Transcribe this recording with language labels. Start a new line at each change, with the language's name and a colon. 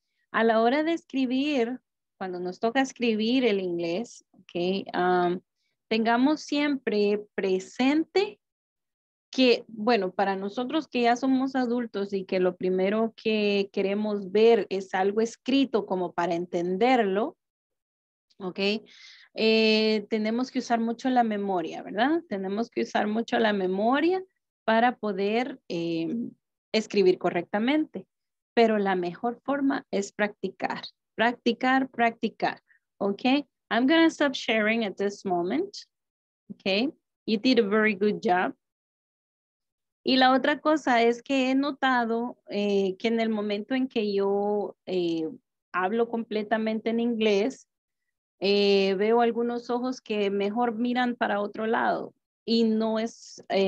Spanish: A la hora de escribir, cuando nos toca escribir el inglés, okay, tengamos siempre presente que, bueno, para nosotros que ya somos adultos y que lo primero que queremos ver es algo escrito como para entenderlo, okay, tenemos que usar mucho la memoria, ¿verdad? Tenemos que usar mucho la memoria para poder escribir correctamente. Pero la mejor forma es practicar, practicar, practicar.
English: Okay, I'm gonna stop sharing at this moment. Okay, you did a very good job.
Spanish: Y la otra cosa es que he notado que en el momento en que yo hablo completamente en inglés, veo algunos ojos que mejor miran para otro lado y no es...